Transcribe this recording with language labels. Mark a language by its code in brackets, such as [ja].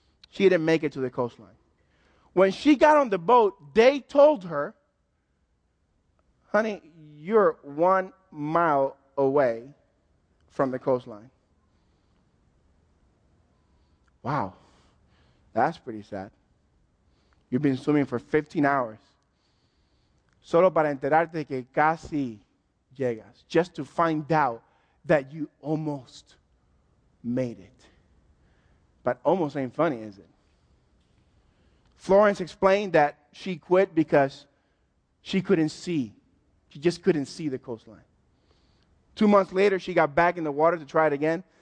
[en] She didn't make it to the coastline. When she got on the boat, they told her, honey, you're 1 mile away from the coastline. Wow, that's pretty sad. You've been swimming for 15 hours. [es] Solo para enterarte que casi llegas. [en] Just to find out that you almost made it. But almost ain't funny, is it? Florence explained that she quit because she couldn't see. She just couldn't see the coastline. 2 months later, she got back in the water to try it again.